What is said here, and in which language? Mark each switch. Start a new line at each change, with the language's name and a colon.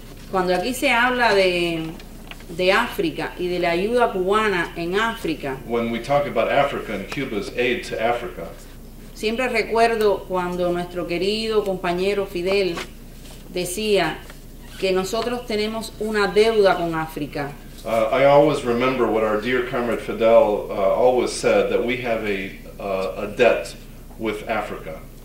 Spanish: Cuando aquí se habla de África y de la ayuda cubana en África.
English: When we talk about Africa and Cuba's aid to Africa.
Spanish: Siempre recuerdo cuando nuestro querido compañero Fidel decía que nosotros tenemos una deuda con África.
English: I always remember what our dear comrade Fidel always said, that we have a debt with Africa.